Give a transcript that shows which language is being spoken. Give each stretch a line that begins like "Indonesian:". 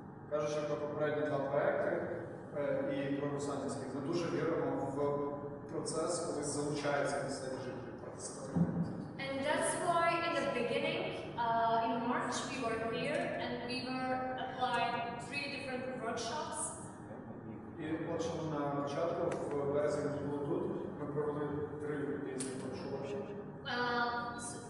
Ukrainian: Кажучи про попередні два проекти і про русанівські, ми дуже віримо в процес, коли залучається місцеві жителі партисипативний.
English: And that's why in the beginning, in March, we were here and we were applied three different workshops.
Ukrainian: І почав на початку, в березні було тут, ми провели три різні workshops.